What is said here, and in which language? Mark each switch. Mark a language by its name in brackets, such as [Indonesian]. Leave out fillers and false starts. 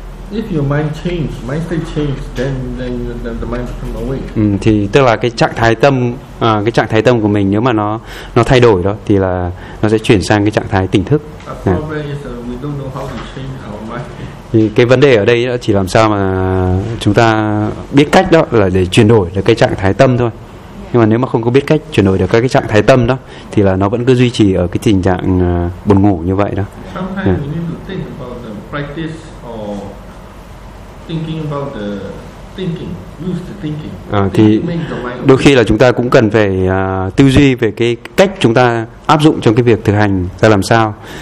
[English] If your mind state change, then the mind become awake. [Vietnamese] Thì tức là cái trạng thái tâm của mình, nếu mà nó thay đổi đó thì là nó sẽ chuyển sang cái trạng thái tỉnh thức. [English] Problem is we don't know how to change our mind. [Vietnamese] Thì cái vấn đề ở đây chỉ làm sao mà chúng ta biết cách đó là để chuyển đổi được cái trạng thái tâm thôi. Nhưng mà nếu mà không có biết cách chuyển đổi được cái trạng thái tâm đó thì là nó vẫn cứ duy trì ở cái tình trạng buồn ngủ như vậy đó. [English] Sometimes we need to think about the practice or thinking about the thinking, use the thinking. [Vietnamese] Thì đôi khi là chúng ta cũng cần phải tư duy về cái cách chúng ta áp dụng trong cái việc thực hành ra làm sao.